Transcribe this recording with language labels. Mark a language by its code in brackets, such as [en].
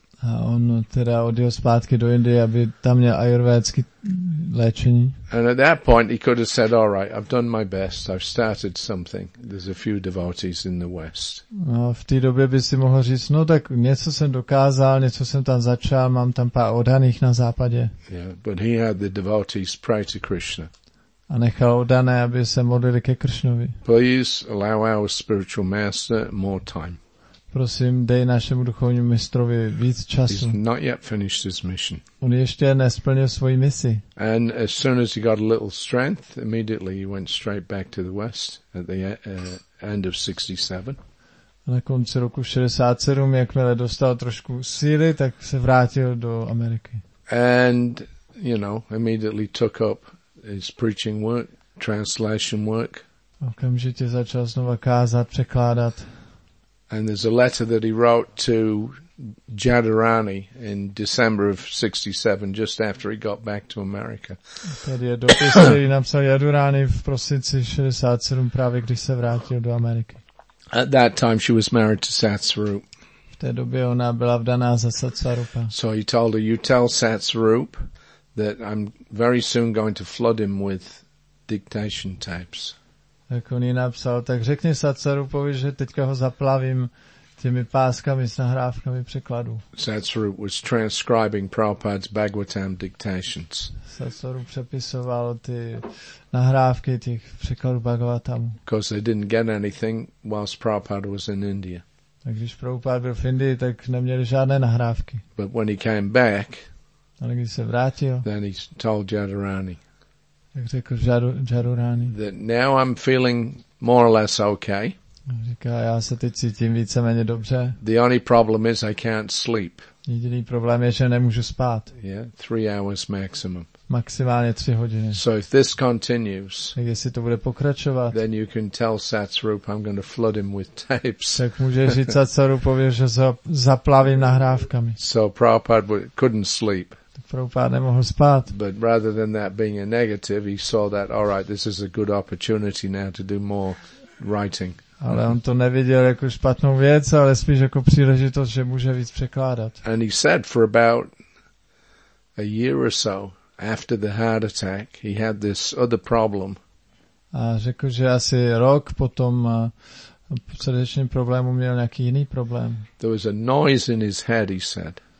[cs] A on teda odjel zpátky do Indie, aby tam měl ayurvédský léčení. [en] And at that point he could have said, all right, I've done my best, I've started something. There's a few devotees in the West. [cs] A v té době by si mohl říct, no tak něco jsem dokázal, něco jsem tam začal, mám tam pár oddaných na západě. [en] Yeah, but he had the devotees pray to Krishna. [cs] A nechal oddané, aby se modlili ke Krishnovi. [en] Please allow our spiritual master more time. [cs] Prosím, dej našemu duchovnímu mistrovi víc času. [en] He's not yet finished his mission. [cs] On ještě nesplnil svoji misi. [en] And as soon as he got a little strength, immediately he went straight back to the West at the end of 67. [cs] Na konci roku 67, jakmile dostal trošku síly, tak se vrátil do Ameriky. [en] And, you know, immediately took up his preaching work, translation work. [cs] Okamžitě začal znova kázat, překládat. [en] And there's a letter that he wrote to Jadurani in December of 67, just after he got back to America. [cs] Tady je dopis, který napsal Jadurani v prosinci 67, právě když se vrátil do Ameriky. [en] At that time she was married to Satsvarup. [cs] V té době ona byla vdaná za Satsvarupa. [en] So he told her, you tell Satsvarup that I'm very soon going to flood him with dictation tapes. [cs] Tak on jí napsal, tak řekni Satsvarupovi, že teďka ho zaplavím těmi páskami s nahrávkami překladů. [en] Satsvarup was transcribing Prabhupada's Bhagavatam dictations. [cs] Satsvarup přepisoval ty nahrávky těch překladů Bhagavatamu. [en] Because they didn't get anything whilst Prabhupada was in India. [cs] Tak když Prabhupada byl v Indii, tak neměli žádné nahrávky. [en] But when he came back, [cs] Ale když se vrátil, [en] then he told Jadurani, [cs] tak řekl Jadurani, [en] that now I'm feeling more or less okay. [cs] Říká, já se teď cítím víceméně dobře. [en] The only problem is I can't sleep. [cs] Jediný problém je, že nemůžu spát. [en] Yeah, 3 hours maximum. [cs] Maximálně 3 hodiny. [en] So if this continues, [cs] tak jestli to bude pokračovat, [en] then you can tell Satsarupa I'm going to flood him with tapes. [cs] Tak může říct Satsarupovi, že zaplavím nahrávkami. [en] So Prabhupada couldn't sleep. [cs] Prabhupada nemohl spát. [en] But rather than that being a negative, he saw that, all right, this is a good opportunity now to do more writing. [cs] Ale on to neviděl jako špatnou věc, ale spíš jako příležitost, že může víc překládat. [en] And he said for about a year or so after the heart attack, he had this other problem. [cs] A řekl, že asi rok potom srdečním problému měl nějaký jiný problém. [en] There was a noise in his head, he said.